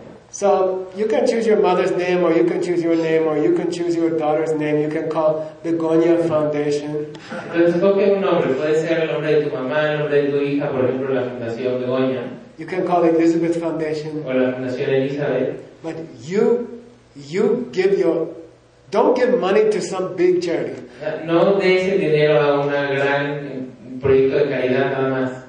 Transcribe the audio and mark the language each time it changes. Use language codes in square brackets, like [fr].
[en] So you can choose your mother's name, or you can choose your name, or you can choose your daughter's name. You can call Begonia Foundation. [es] Entonces, escoge un nombre. Puede ser el nombre de tu mamá, el nombre de tu hija, por ejemplo, la Fundación Begonia. [en] You can call Elizabeth Foundation. [es] O la Fundación Elizabeth. [en] But you give your, don't give money to some big charity. [es] No des el dinero a un gran proyecto de caridad nada más.